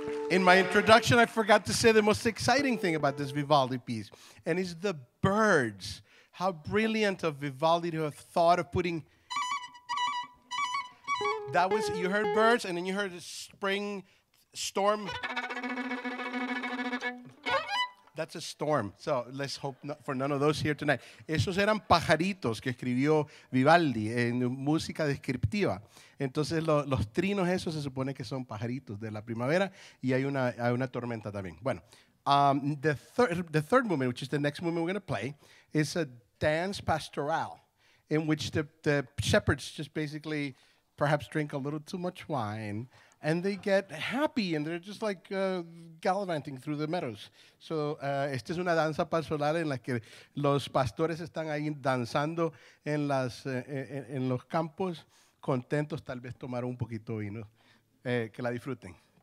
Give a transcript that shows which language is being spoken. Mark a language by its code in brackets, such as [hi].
[en] In my introduction, I forgot to say the most exciting thing about this Vivaldi piece, and it's the birds. How brilliant of Vivaldi to have thought of putting... That was, you heard birds, and then you heard a spring storm. That's a storm. So let's hope not for none of those here tonight. [es] Esos eran pajaritos que escribió Vivaldi en música descriptiva. Entonces los trinos esos se supone que son pajaritos de la primavera y hay una tormenta también. [en] Bueno, the third movement, which is the next movement we're going to play, is a dance pastoral in which the shepherds just basically perhaps drink a little too much wine. And they get happy, and they're just like gallivanting through the meadows. [es] So, esta es una danza pastoral en la que los pastores están ahí danzando en los campos, contentos, tal vez tomaron un poquito de vino, que la disfruten.